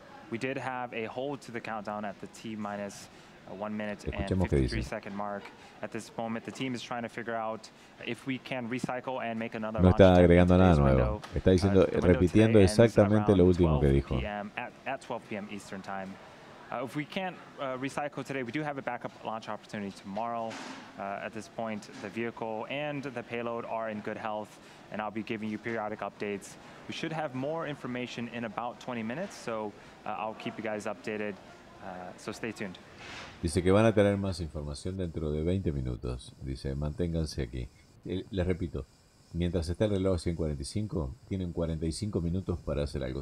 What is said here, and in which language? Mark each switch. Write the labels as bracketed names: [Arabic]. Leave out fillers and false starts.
[English] We did have a hold to the countdown at the T-minus 1 minute and 53 second mark. At this moment, the team is trying to figure out if we can recycle and make another launch. [Spanish] No está agregando nada nuevo. Está diciendo, repitiendo exactamente lo último que dijo. [English] At 12 p.m. Eastern time. If we can't recycle today, we do have a backup launch opportunity tomorrow. At this point, the vehicle and the payload are in good health, and I'll be giving you periodic updates. We should have more information in about 20 minutes, so I'll keep you guys updated. So stay tuned. [Spanish] Dice que van a tener más información dentro de 20 minutos. Dice, manténganse aquí. Les repito, mientras está el reloj a 145, tienen 45 minutos para hacer algo.